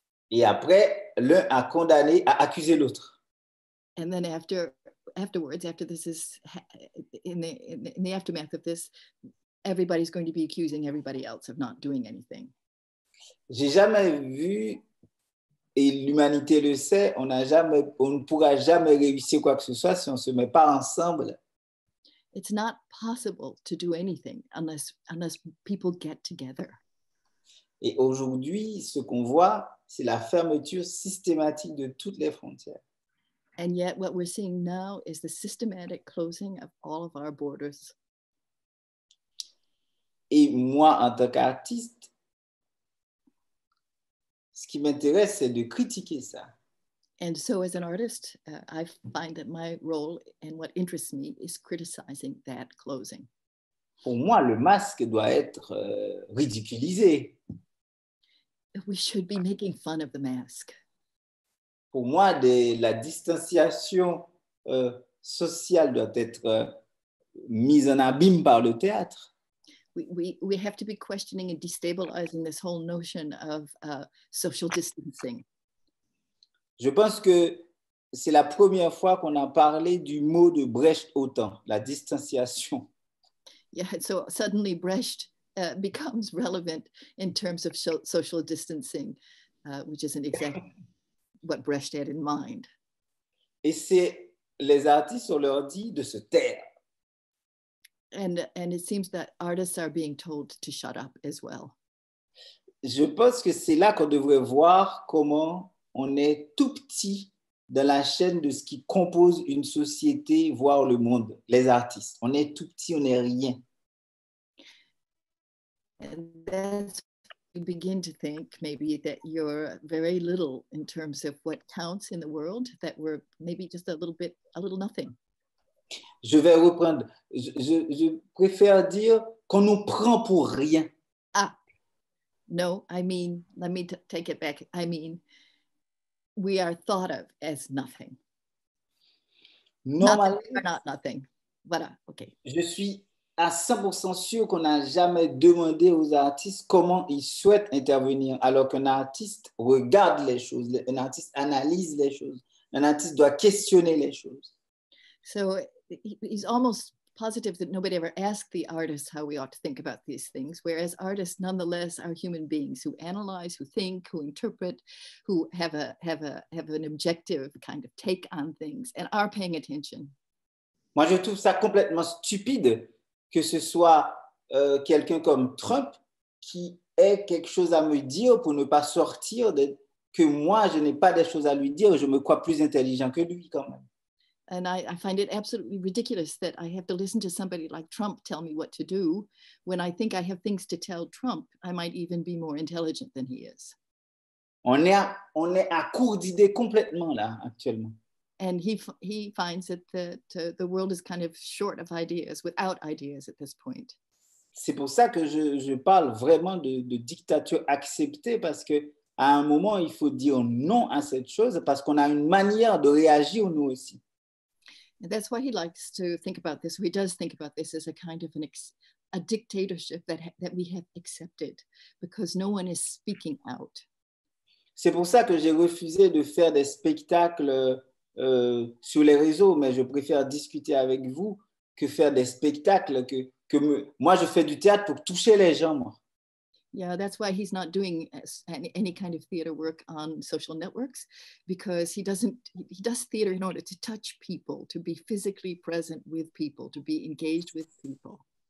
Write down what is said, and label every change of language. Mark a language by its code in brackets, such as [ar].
[fr] Et après, l'un a condamné, a accusé l'autre. [en] And then afterwards, after this is in the aftermath of this, everybody's going to be accusing everybody else of not doing anything. [fr] J'ai jamais vu, et l'humanité le sait, on ne pourra jamais réussir quoi que ce soit si on ne se met pas ensemble. [en] It's not possible to do anything unless people get together. [fr] Et aujourd'hui, ce qu'on voit, c'est la fermeture systématique de toutes les frontières. [en] And yet what we're seeing now is the systematic closing of all of our borders. [fr] Et moi, en tant qu'artiste, ce qui m'intéresse, c'est de critiquer ça. [en] And so as an artist, I find that my role and what interests me is criticizing that closing. [fr] Pour moi, le masque doit être ridiculisé. [en] We should be making fun of the mask. [fr] Pour moi, la distanciation sociale doit être mise en abîme par le théâtre. [en] We have to be questioning and destabilizing this whole notion of social distancing. [fr] Je pense que c'est la première fois qu'on a parlé du mot de Brecht autant, la distanciation. [en] Yeah, so suddenly Brecht becomes relevant in terms of social distancing, which isn't exactly what Brecht had in mind. [fr] Et c'est les artistes, on leur dit de se taire. [en] And it seems that artists are being told to shut up as well. [fr] Je pense que c'est là qu'on devrait voir comment on est tout petit dans la chaîne de ce qui compose une société, voire le monde, les artistes. On est tout petit, on n'est rien. [en] And that's when you begin to think maybe that you're very little in terms of what counts in the world, that we're maybe just a little nothing. [fr] Je vais reprendre. Je préfère dire qu'on nous prend pour rien. [en] Ah, no, I mean, let me take it back. I mean, we are thought of as nothing. [fr] Normalement, [en] not nothing. Voilà, OK. [fr] Je suis à 100% sûr qu'on n'a jamais demandé aux artistes comment ils souhaitent intervenir, alors qu'un artiste regarde les choses, un artiste analyse les choses, un artiste doit questionner les choses. [en] So, he's almost positive that nobody ever asked the artist how we ought to think about these things, whereas artists nonetheless are human beings who analyze, who think, who interpret, who have an objective kind of take on things and are paying attention. [fr] Moi, je trouve ça complètement stupide que ce soit quelqu'un comme Trump qui ait quelque chose à me dire pour ne pas sortir que moi, je n'ai pas des choses à lui dire, je me crois plus intelligent que lui quand même. [en] And I find it absolutely ridiculous that I have to listen to somebody like Trump tell me what to do when I think I have things to tell Trump. I might even be more intelligent than he is. [fr] On est à court d'idées complètement là actuellement. [en] And he finds that the world is kind of short of ideas, without ideas at this point. [fr] C'est pour ça que je parle vraiment de dictature acceptée, parce que à un moment il faut dire non à cette chose parce qu'on a une manière de réagir nous aussi. [en] And that's why he likes to think about this. He does think about this as a kind of a dictatorship that we have accepted because no one is speaking out. [fr] C'est pour ça que j'ai refusé de faire des spectacles sur les réseaux, mais je préfère discuter avec vous que faire des spectacles que moi je fais du théâtre pour toucher les gens, moi. [en] Yeah, that's why he's not doing any kind of theater work on social networks, because he does theater in order to touch people, to be physically present with people, to be engaged with people.